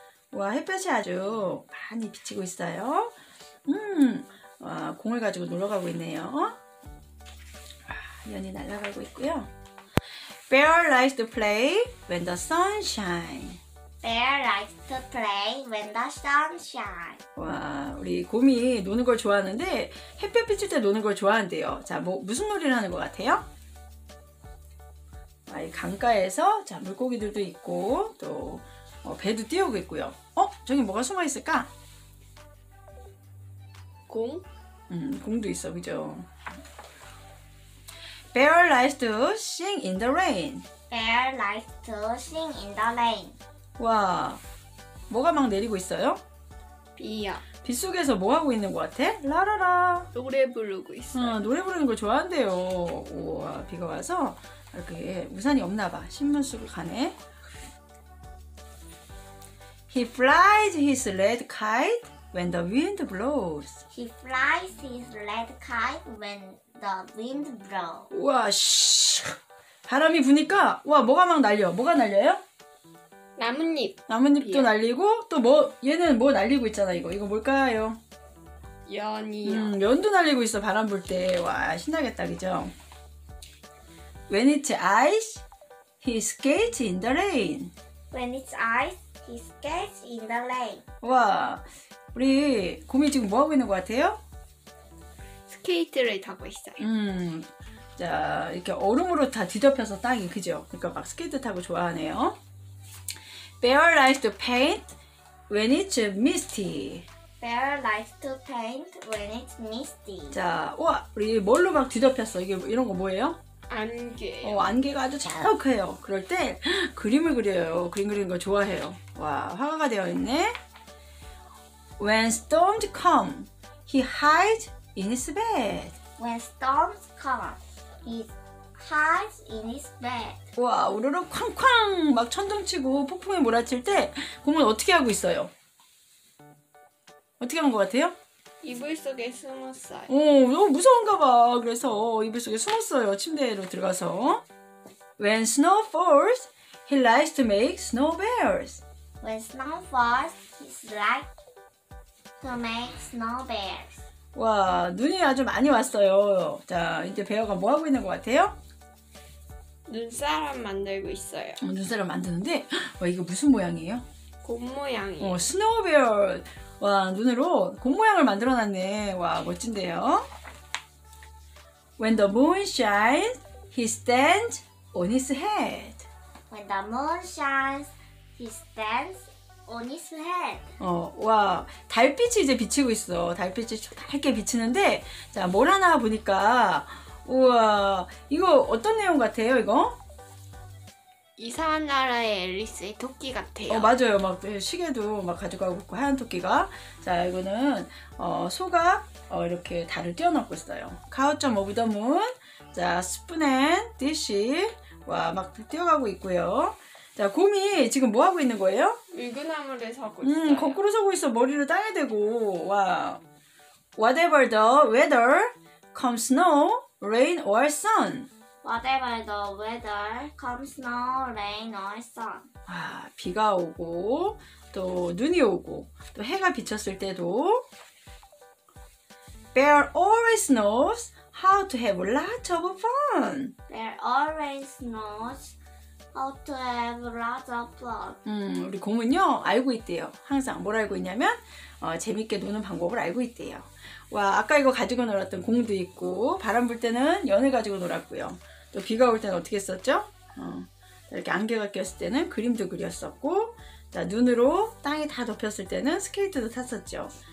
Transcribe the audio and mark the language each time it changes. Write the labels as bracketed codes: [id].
[ko] 와, 햇볕이 아주 많이 비치고 있어요. 와, 공을 가지고 놀러 가고 있네요. 와, 연이 날아가고 있고요. [en] Bear likes to play when the sun shines. Bear likes to play when the sun shines. [ko] 와, 우리 곰이 노는 걸 좋아하는데 햇볕 비칠 때 노는 걸 좋아한대요. 자, 뭐 무슨 놀이를 하는 것 같아요? 아, 이 강가에서 자 물고기들도 있고 또 배도 띄우고 있고요. 어, 저기 뭐가 숨어 있을까? 공? 공도 있어, 그죠? [en] Bear likes to sing in the rain. Bear likes to sing in the rain. [ko] 와, 뭐가 막 내리고 있어요? 비야. 빗 속에서 뭐 하고 있는 것 같아? 라라라. 노래 부르고 있어. 응, 노래 부르는 걸 좋아한대요. 우와, 비가 와서 이렇게 우산이 없나 봐. 신문 쓰고 가네. [en] He flies his red kite when the wind blows. He flies his red kite when the wind blows. [ko] 우와, 바람이 부니까 와, 뭐가 막 날려? 뭐가 날려요? 나뭇잎. 나뭇잎도 비야. 날리고 또 뭐 얘는 뭐 날리고 있잖아. 이거 뭘까요? 연이요. 연도 날리고 있어. 바람 불 때. 와, 신나겠다, 그죠? [en] When it's ice, he skates in the rain. When it's ice, he skates in the rain. [ko] 와, 우리 곰이 지금 뭐 하고 있는 것 같아요? 스케이트를 타고 있어요. 자, 이렇게 얼음으로 다 뒤덮여서 땅이, 그죠? 그러니까 막 스케이트 타고 좋아하네요. [en] Bear likes to paint when it's misty. Bear likes to paint when it's misty. [ko] 자, 우와, 우리 뭘로 막 뒤덮였어? 이게 이런 거 뭐예요? 안개. 안개가 아주 자극해요. 그럴 때 그림을 그려요. 그림 그리는 거 좋아해요. 와, 화가가 되어 있네. [en] When storms come, he hides in his bed. When storms come, hides in his bed. [ko] 와, 우르르 쾅쾅 막 천둥치고 폭풍이 몰아칠 때 곰은 어떻게 하고 있어요? 어떻게 한 것 같아요? 이불 속에 숨었어요. 너무 무서운가 봐. 그래서 이불 속에 숨었어요. 침대로 들어가서. [en] When snow falls, he likes to make snow bears. When snow falls, he likes to make snow bears. [ko] 와, 눈이 아주 많이 왔어요. 자, 이제 베어가 뭐 하고 있는 것 같아요? 눈사람 만들고 있어요. 눈사람 만드는데, 와, 이거 무슨 모양이에요? 곰 모양이에요. [en] 스노우베어. [ko] 와, 눈으로 곰 모양을 만들어놨네. 와, 멋진데요. [en] When the moon shines, he stands on his head. When the moon shines, he stands on his head. [ko] 와, 달빛이 이제 비치고 있어. 달빛이 밝게 비치는데, 자, 뭘 하나 보니까 우와, 이거 어떤 내용 같아요, 이거? 이상한 나라의 앨리스의 토끼 같아요. 맞아요. 막 시계도 막 가져가고 있고, 하얀 토끼가. 자, 이거는 소가 이렇게 달을 띄워놓고 있어요. [en] Couch of the moon. 자, spoon and dish. [ko] 와, 막 띄워가고 있고요. 자, 곰이 지금 뭐 하고 있는 거예요? 물구나무를 서고 있어요. 거꾸로 서고 있어. 머리를 땅에 대고. 와, [en] whatever the weather, come snow, rain or sun. Whatever the weather, come snow, rain or sun. [ko] 와, 비가 오고 또 눈이 오고 또 해가 비쳤을 때도. [en] Bear always knows how to have lots of fun. Bear always knows how to have lots of fun. [ko] 우리 곰은요 알고 있대요. 항상 뭘 알고 있냐면 재밌게 노는 방법을 알고 있대요. 와, 아까 이거 가지고 놀았던 공도 있고, 바람 불 때는 연을 가지고 놀았고요. 또 비가 올 때는 어떻게 했었죠? 이렇게 안개가 꼈을 때는 그림도 그렸었고, 자, 눈으로 땅이 다 덮였을 때는 스케이트도 탔었죠.